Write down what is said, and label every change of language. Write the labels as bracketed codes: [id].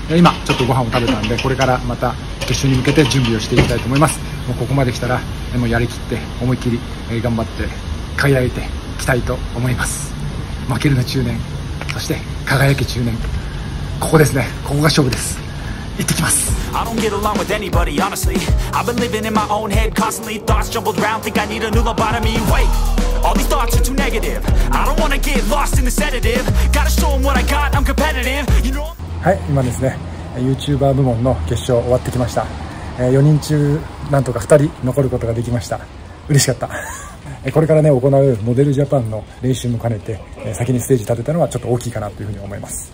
[ja] 今ちょっとご飯を食べたんで、これからまた決勝に向けて準備をしていきたいと思います。もうここまで来たら、もうやりきって思いっきり頑張って輝いていきたいと思います。負けるな中年、そして輝け中年、ここですね、ここが勝負です。行ってきます。 [en] I don't get along with anybody, honestly. I've been living in my own head, constantly thoughts jumbled round. Think I need a new lobotomy. Wait, all these thoughts are too negative. I don't wanna get lost in the sedative. Gotta show 'em what I got. I'm competitive. You know. [ja] はい、今ですね、YouTuber 部門の決勝終わってきました。 4人中なんとか2人残ることができました。嬉しかった。これからね、行うモデルジャパンの練習も兼ねて、先にステージ立てたのはちょっと大きいかなというふうに思います。